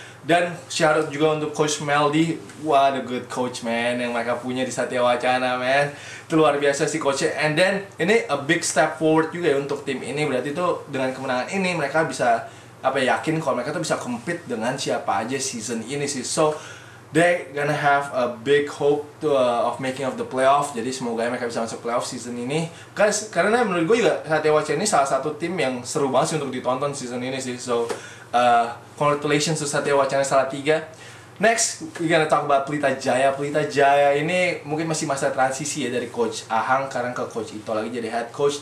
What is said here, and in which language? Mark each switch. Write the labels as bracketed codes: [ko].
[id] Dan shout out juga untuk Coach Meldy. [en] What a good coach, man, [id] yang mereka punya di Satya Wacana, man. Itu luar biasa sih coachnya. And then, ini [en] a big step forward [id] juga ya untuk tim ini. Berarti tuh dengan kemenangan ini, mereka bisa apa yakin kalau mereka tuh bisa compete dengan siapa aja season ini sih. [en] So, they gonna have a big hope to, of making of the playoff. [id] Jadi semoga mereka bisa masuk playoff season ini. Guys, karena menurut gue juga Satya Wacana ini salah satu tim yang seru banget sih untuk ditonton season ini sih. [en] So, congratulations to Satya Wacana Salatiga. Next, we gonna talk about Pelita Jaya. [id] Pelita Jaya ini mungkin masih masa transisi ya dari Coach Ahang sekarang ke Coach Ito lagi jadi head coach.